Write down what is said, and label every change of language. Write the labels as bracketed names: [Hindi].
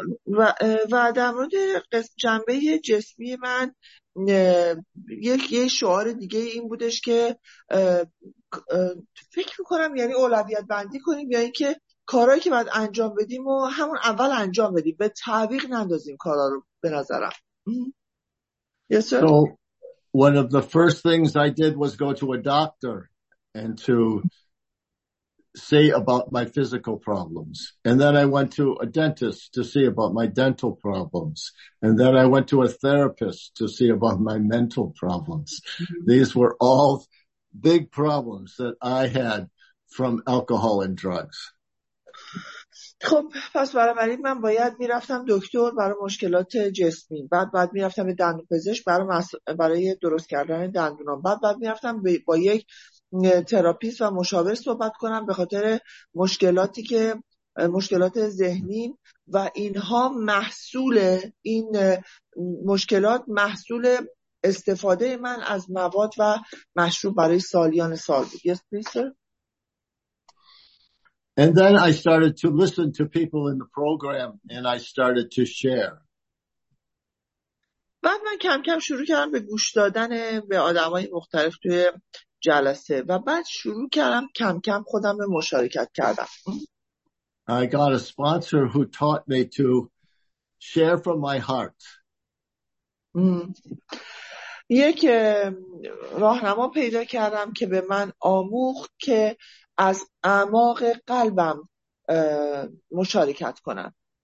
[Persian] و در مورد جنبه جسمی من یک شعار دیگه این بودش که فکر میکنم یعنی اولویت بندی کنیم، یعنی که کارهایی که باید انجام بدیم و همون اول انجام بدیم، به تعویق نندازیم کارها رو به نظرم. [English] Yes, sir. So one of the first things I did was go to a doctor and to see about my physical problems. And then I went to a dentist to see about my dental problems. And then I went to a therapist to see about my mental problems. These were all big problems that I had from alcohol and drugs. [Persian] خب پس بنابراین من باید میرفتم دکتر برای مشکلات جسمی، بعد میرفتم به دندونپزشک برای درست کردن دندونام، بعد میرفتم با یک تراپیست و مشاور صحبت کنم به خاطر مشکلات ذهنی، و اینها محصول این مشکلات محصول استفاده من از مواد و مشروب برای سالیان سال بود. [English] Yes, please, sir. And then I started to listen to people in the program and I started to share. [Persian] بعد من کم کم شروع کردم به گوش دادن به آدمای مختلف توی جلسه و بعد شروع کردم کم کم خودم به مشارکت کردم. [English] I got a sponsor who taught me to share from my heart. [Persian] یک راهنما پیدا کردم که به من آموخت که از اعماق قلبم مشارکت کنم.